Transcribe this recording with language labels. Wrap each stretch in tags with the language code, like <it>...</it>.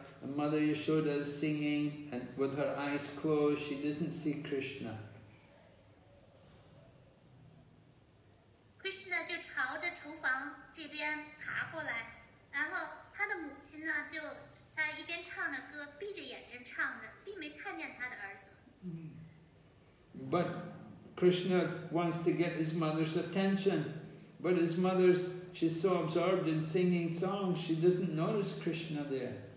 <en>And Mother Yashoda is singing, and with her eyes closed, she doesn't see Krishna.</en> <zh>Krishna就朝着厨房这边爬过来，然后他的母亲呢就在一边唱着歌，闭着眼睛唱着，并没看见他的儿子。</zh> <en>But Krishna wants to get his mother's attention. But his mother, she's so absorbed in singing songs, she doesn't notice Krishna there.</en>